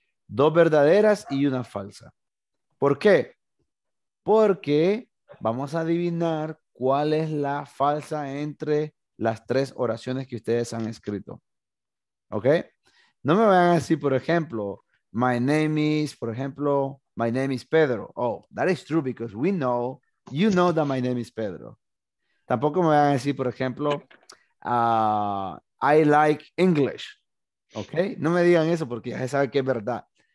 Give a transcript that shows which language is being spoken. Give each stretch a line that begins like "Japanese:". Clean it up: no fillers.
Spanish: 2 verdaderas y 1 falsa. ¿Por qué? Porque vamos a adivinar cuál es la falsa entre las 3 oraciones que ustedes han escrito. Okay, no me vayan a decir, por ejemplo,
English: my name is,
Spanish: por ejemplo,
English: my name is Pedro. Oh, that is true because we know, you know that my name is Pedro.
Spanish: Tampoco me vayan a decir, por ejemplo,
English: I like English.
Spanish: Okay, no me digan eso porque ya se sabe que es verdad.